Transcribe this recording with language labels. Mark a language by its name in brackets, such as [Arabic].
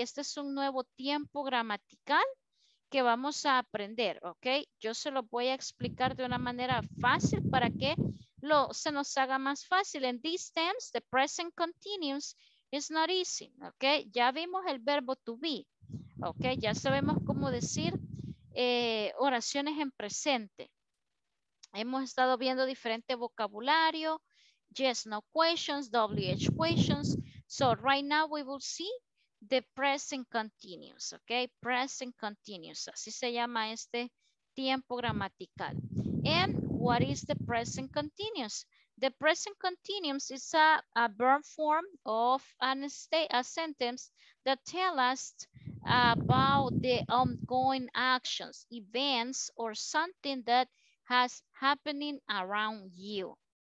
[Spanish] Este es un nuevo tiempo gramatical que vamos a aprender, ok. Yo se lo voy a explicar de una manera fácil para que se nos haga más fácil. [English] En these terms, the present continuous is not easy, ok. [Spanish] Ya vimos el verbo to be, ok. Ya sabemos cómo decir oraciones en presente. Hemos estado viendo diferente vocabulario, yes, no questions, WH questions. [English] So right now we will see the present continuous, ok. [Spanish] Present continuous, así se llama este tiempo gramatical. [English] And what is the present continuous? The present continuous is a verb form of a sentence that tells us about the ongoing actions, events, or something that has happening around you.